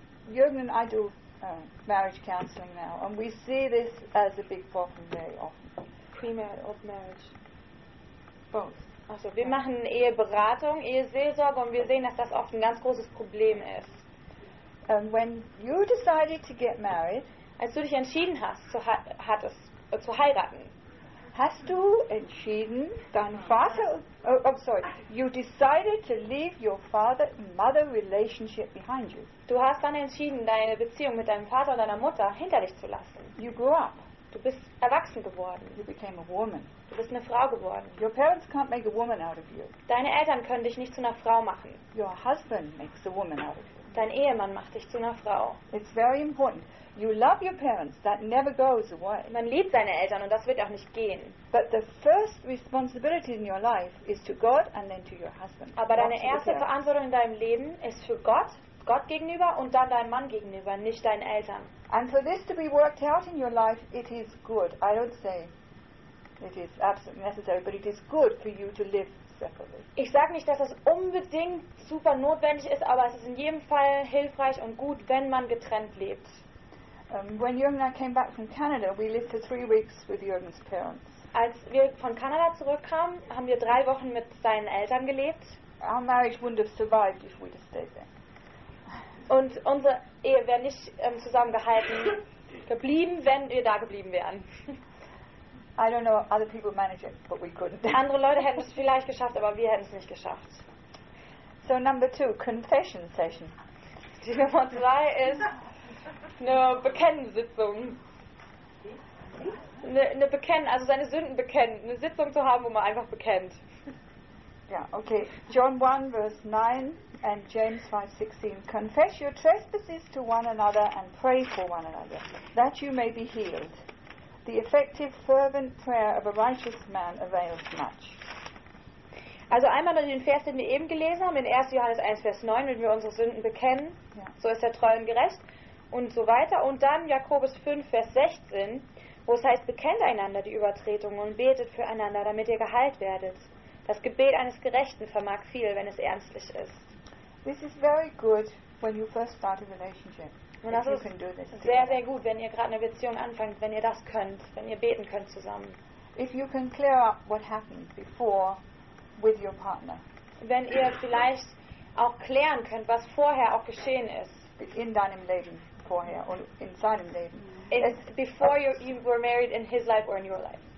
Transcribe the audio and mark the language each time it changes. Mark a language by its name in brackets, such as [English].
[English] Jürgen and I do marriage counseling now, and we see this as a big problem very often. Premarital of marriage. Both. [German] Also, wir machen Eheberatung, Eheseelsorge, und wir sehen, dass das oft ein ganz großes Problem ist. [English] When you decided to get married, [German] als du dich entschieden hast, zu heiraten, hast du entschieden, dein Vater? [English] Oh, sorry. You decided to leave your father-mother relationship behind you. [German] Du hast dann entschieden, deine Beziehung mit deinem Vater und deiner Mutter hinter dich zu lassen. [English] You grew up. [German] Du bist erwachsen geworden. [English] You became a woman. [German] Du bist eine Frau geworden. [English] Your parents can't make a woman out of you. [German] Deine Eltern können dich nicht zu einer Frau machen. [English] Your husband makes a woman out of you. [German] Dein Ehemann macht dich zu einer Frau. [English] It's very important. You love your parents. That never goes away. [German] Man liebt seine Eltern und das wird auch nicht gehen. [English] But the first responsibility in your life is to God and then to your husband. [German] Aber deine erste Verantwortung in deinem Leben ist für Gott, Gott gegenüber und dann deinem Mann gegenüber, nicht deinen Eltern. [English] And for this to be worked out in your life, it is good. I don't say it is absolutely necessary, but it is good for you to live. [German] Ich sage nicht, dass das unbedingt super notwendig ist, aber es ist in jedem Fall hilfreich und gut, wenn man getrennt lebt. [English] When Jürgen and I came back from Canada, we lived for 3 weeks with Jürgen's parents. [German] Als wir von Kanada zurückkamen, haben wir 3 Wochen mit seinen Eltern gelebt. [English] Our marriage wouldn't have survived if we'd have stayed there. [German] Und unsere Ehe wäre nicht zusammengehalten geblieben, wenn wir da geblieben wären. [English] I don't know other people manage it, but we couldn't. [German] Andere Leute hätten es vielleicht geschafft, aber wir hätten es nicht geschafft. [English] So number two, confession session. [German] Die Nummer drei ist eine Bekennensitzung. Eine Bekennen, also seine Sünden bekennen. Eine Sitzung zu haben, wo man einfach bekennt. [English] Yeah, okay. John 1, verse 9 and James 5, 16. Confess your trespasses to one another and pray for one another, that you may be healed. The effective, fervent prayer of a righteous man avails much. [German] Also einmal nur den Vers, den wir eben gelesen haben, in 1. Johannes 1, Vers 9, wenn wir unsere Sünden bekennen, yeah, so ist er treu und gerecht und so weiter. Und dann Jakobus 5, Vers 16, wo es heißt, bekennt einander die Übertretungen und betet füreinander, damit ihr geheilt werdet. Das Gebet eines Gerechten vermag viel, wenn es ernstlich ist. [English] This is very good when you first start a relationship. [German] Und das ist sehr, sehr gut, wenn ihr gerade eine Beziehung anfangt, wenn ihr das könnt, wenn ihr beten könnt zusammen. [English] If you can clear up what happened before with your partner. [German] Wenn ihr vielleicht auch klären könnt, was vorher auch geschehen ist. In deinem Leben vorher und in seinem Leben. [English] Before you were married, in his life or in your life.